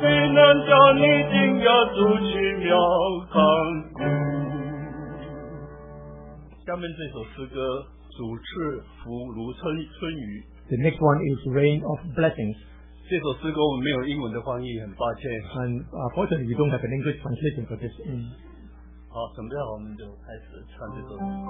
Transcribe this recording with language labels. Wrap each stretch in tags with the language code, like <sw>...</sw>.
<zh>谁能叫你惊讶出去庙堂。下面这首诗歌主赐福如春雨。</zh> <en>The next one is Rain of Blessings。</en> <zh>这首诗歌我们没有英文的翻译，很抱歉。</zh> <en>And unfortunately, we don't have an English translation for this.</en> <zh>好，准备好我们就开始唱这首诗。</zh>